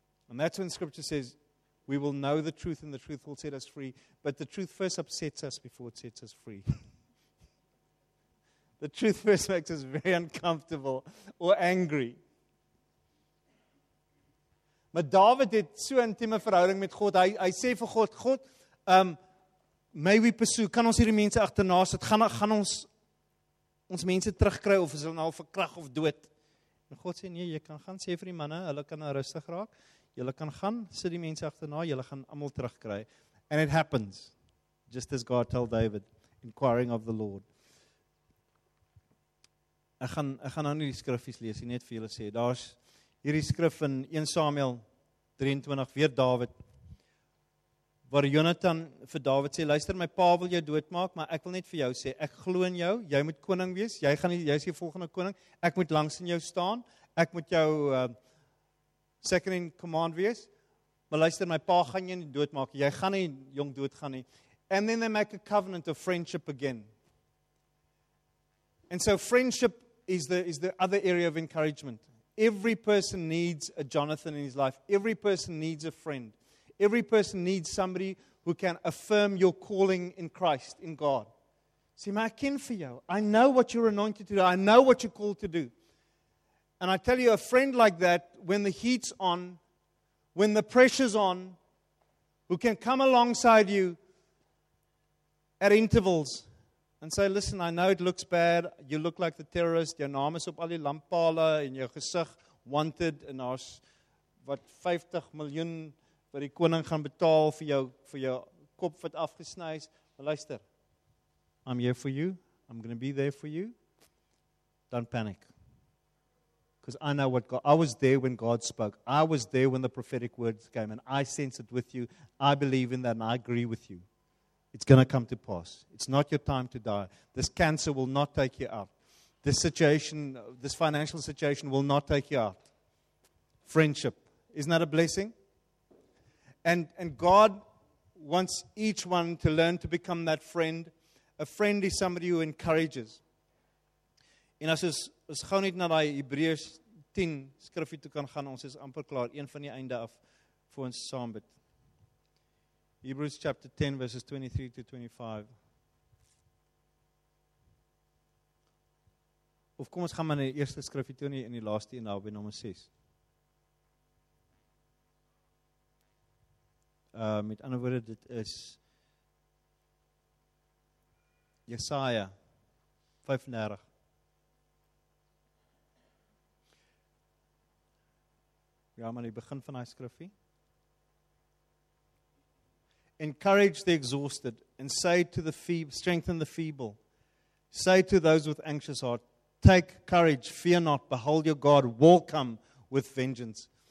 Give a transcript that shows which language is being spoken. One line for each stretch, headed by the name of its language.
English: And that's when scripture says, we will know the truth and the truth will set us free. But the truth first upsets us before it sets us free. The truth first makes us very uncomfortable or angry.
Afrikaans: Maar David het so 'n intieme verhouding met God. Hy sê vir God, God,
English: may we pursue,
Afrikaans: kan ons hierdie mense agterna sit? Gaan ons mense terugkry of is hulle nou verkrag of dood? En God sê, nee, jy kan gaan, sê vir die manne, hulle kan rustig raak. Julle kan gaan, sit die mense agterna, julle gaan almal terugkry.
English: And it happens, just as God told David, inquiring of the Lord.
Afrikaans: Ek gaan nou nie die skrifies lees, nie net vir julle sê, daar's hierdie skrif in 1 Samuel 23, weer David, waar Jonathan vir David sê, luister, my pa wil jou doodmaak, maar ek wil net vir jou sê, ek glo in jou, jy moet koning wees, jy is die volgende koning, ek moet langs in jou staan, ek moet jou
English: second in command
Afrikaans: wees, maar luister, my pa gaan jou nie doodmaak, jy gaan nie jong doodgaan nie.
English: And then they make a covenant of friendship again. And so friendship is the other area of encouragement. Every person needs a Jonathan in his life. Every person needs a friend. Every person needs somebody who can affirm your calling in Christ, in God. See, my kin for you, I know what you're anointed to do. I know what you're called to do. And I tell you, a friend like that, when the heat's on, when the pressure's on, who can come alongside you at intervals and say, listen, I know it looks bad. You look like the terrorist. Your name is
Afrikaans: op al die lamppale en jou gesig wanted en ons wat 50 miljoen wat die koning gaan betaal vir jou kop wat afgesny is. Maar luister.
English: I'm here for you. I'm going to be there for you. Don't panic. Because I know what God, I was there when God spoke. I was there when the prophetic words came and I sense it with you. I believe in that and I agree with you. It's going to come to pass. It's not your time to die. This cancer will not take you out. This situation, this financial situation will not take you out. Friendship. Isn't that a blessing? And God wants each one to learn to become that friend. A friend is somebody who encourages.
Afrikaans: En as ons gou net na die Hebreërs 10 skrifgie toe kan gaan, ons is amper klaar, een van die einde af vir ons saam bid.
English: Hebrews chapter 10, verses 23-25.
Afrikaans: Of kom ons gaan maar na die eerste skrifgie toe in die laaste en daarby nommer 6. Met ander woorde, dit is Jesaja 35. Ja, maar die begin van die skrifgie.
English: Encourage the exhausted and say to the feeble, strengthen the feeble. Say to those with anxious heart, take courage, fear not, behold your God will come with vengeance.